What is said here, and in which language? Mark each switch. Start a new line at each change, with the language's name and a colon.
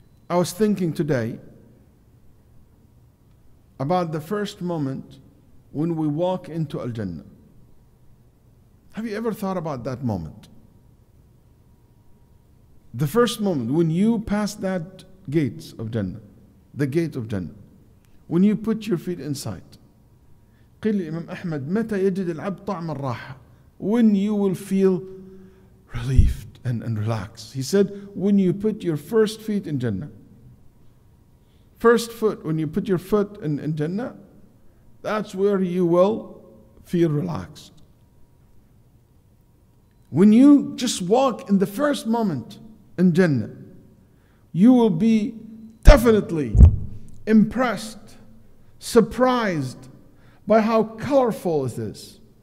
English: I was thinking today about the first moment when we walk into Al-Jannah. Have you ever thought about that moment? The first moment when you pass that gates of Jannah, the gate of Jannah, when you put your feet inside.
Arabic: قل إمام أحمد متى يجد العبد طعم الراحة,
English: when you will feel relieved and relaxed. He said, when you put your first feet in Jannah. First foot, when you put your foot in Jannah, that's where you will feel relaxed. When you just walk in the first moment in Jannah, you will be definitely impressed, surprised by how colorful it is.